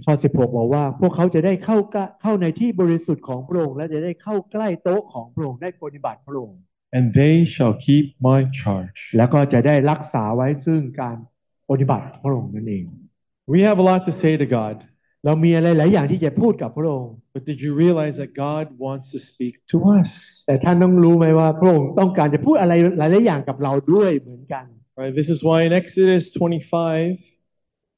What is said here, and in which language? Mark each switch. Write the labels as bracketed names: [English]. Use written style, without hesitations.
[Thai] ข้อ16บอกว่าพวกเขาจะได้เข้าในที่บริสุทธิ์ของพระองค์และจะได้เข้าใกล้โต๊ะของพระองค์ได้ปฏิบัติพระองค์ [English] And they shall keep my charge [Thai] แล้วก็จะได้รักษาไว้ซึ่งการปฏิบัติพระองค์นั่นเอง [English] We have a lot to say to God [Thai] เรามีอะไรหลายอย่างที่จะพูดกับพระองค์ [English] But did you realize that God wants to speak to us? [Thai] แต่ท่านต้องรู้ไหมว่าพระองค์ต้องการจะพูดอะไรหลายๆอย่างกับเราด้วยเหมือนกัน [English] Right, this is why in Exodus 25